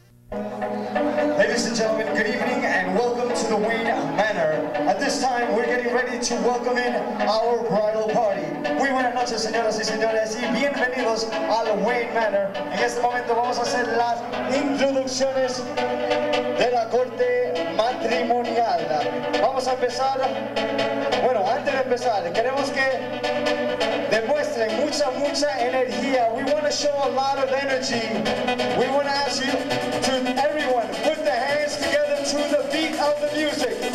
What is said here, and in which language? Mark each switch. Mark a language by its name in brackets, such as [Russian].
[English] and gentlemen, good evening and welcome to the Wayne Manor. At this time, we're getting ready to welcome in our bridal party. [Spanish] Muy buenas noches, señoras y señores, y bienvenidos al Wayne Manor. En este momento vamos a hacer las introducciones de la corte matrimonial. Vamos a empezar. Bueno, antes de empezar, queremos que demuestren mucha, mucha energía. [English] We want to show a lot of energy. We want to ask you to everyone put their hands together to the beat of the music.